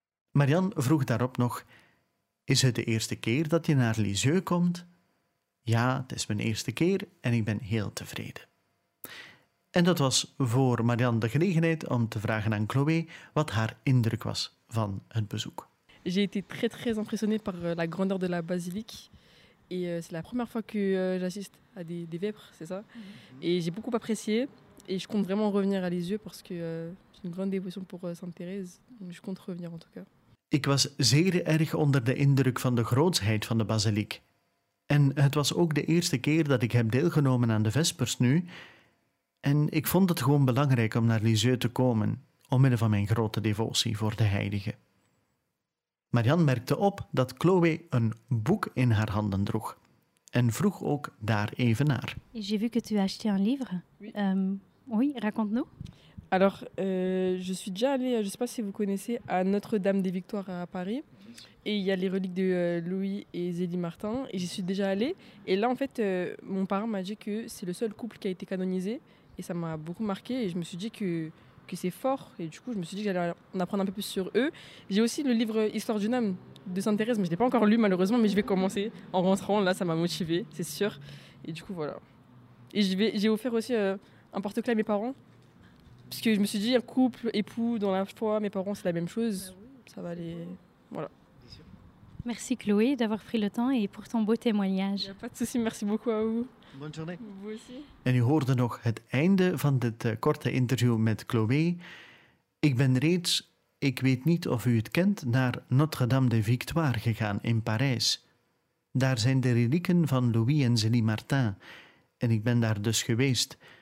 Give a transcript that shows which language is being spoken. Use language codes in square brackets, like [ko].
[nl] Marianne vroeg daarop nog: is het de eerste keer dat je naar Lisieux komt? Ja, het is mijn eerste keer en ik ben heel tevreden. En dat was voor Marianne de gelegenheid om te vragen aan Chloé wat haar indruk was van het bezoek. [fr] J'ai été très très impressionnée par la grandeur de la basilique. Et c'est la première fois que j'assiste à des vêpres, c'est ça. Et j'ai beaucoup apprécié. Et je compte vraiment revenir à Lisieux parce que j'ai une grande dévotion pour Sainte Thérèse. Je compte revenir en tout cas. Ik was zeer erg onder de indruk van de grootsheid van de basiliek. En het was ook de eerste keer dat ik heb deelgenomen aan de Vespers nu. En ik vond het gewoon belangrijk om naar Lisieux te komen, omwille van mijn grote devotie voor de heilige. Marianne merkte op dat Chloé een boek in haar handen droeg en vroeg ook daar even naar. J'ai vu que tu as acheté un livre. Oui, raconte-nous. Alors, je suis déjà allée, je sais pas si vous connaissez, à Notre-Dame des Victoires à Paris. Et il y a les reliques de Louis et Zélie Martin. Et j'y suis déjà allée. Et là, en fait, mon parent m'a dit que c'est le seul couple qui a été canonisé. Et ça m'a beaucoup marqué. Et je me suis dit que c'est fort et du coup je me suis dit que j'allais en apprendre un peu plus sur eux. J'ai aussi le livre Histoire d'une âme de Sainte Thérèse, mais je l'ai pas encore lu malheureusement, mais je vais commencer en rentrant là, ça m'a motivé, c'est sûr. Et du coup voilà. Et j'ai offert aussi un porte-clés à mes parents parce que je me suis dit un couple époux dans la foi, mes parents c'est la même chose, ça va aller voilà. Merci Chloé d'avoir pris le temps et pour ton beau témoignage. Il y a pas de souci, merci beaucoup à vous. Bonne journée. Vous aussi. [nl] En u hoorde nog het einde van dit korte interview met Chloé. Ik ben reeds, ik weet niet of u het kent, naar Notre-Dame des Victoires gegaan in Parijs. Daar zijn de relieken van Louis en Zélie Martin. En ik ben daar dus geweest.